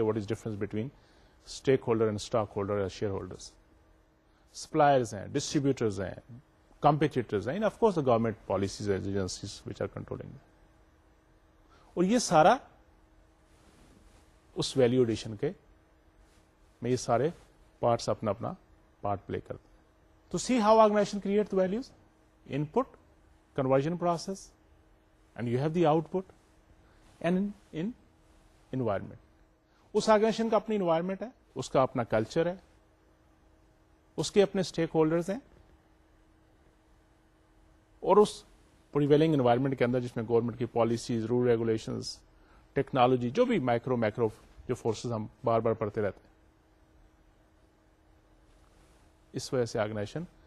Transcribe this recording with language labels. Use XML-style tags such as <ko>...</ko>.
<en>What is difference between stakeholder and stockholder یا shareholders? Suppliers ہیں, distributors ہیں, competitors ہیں, and of course the government policies and agencies which are controlling.</en> <ur>اور یہ سارا اس value addition کے میں یہ سارے پارٹس اپنا اپنا پارٹ پلے کرتے ہیں.</ur> <en>تو see how organization create the values, input, conversion process, and you have the output, and in environment.</en> <ur>اس organization کا اپنی انوائرمنٹ ہے, اس کا اپنا کلچر ہے, اس کے اپنے اسٹیک ہولڈرز ہیں, اور اس پریویلنگ انوائرمنٹ کے اندر جس میں گورنمنٹ کی پالیسیز, رول ریگولیشنز, ٹیکنالوجی, جو بھی مائکرو میکرو جو فورسز ہم بار بار پڑھتے رہتے ہیں, اس وجہ سے آرگنائزیشن.</ur>